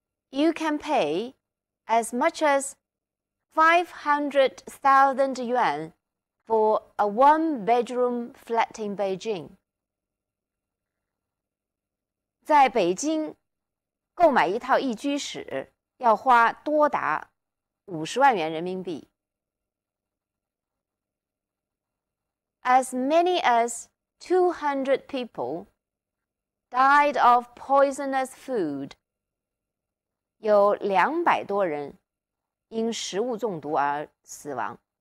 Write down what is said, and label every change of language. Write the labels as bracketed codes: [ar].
[en] You can pay as much as 500,000 yuan for a one-bedroom flat in Beijing. [zh] 在北京购买一套一居室要花多达500,000人民币。 [en] As many as 200 people died of poisonous food. [zh] 有200多人因食物中毒而死亡。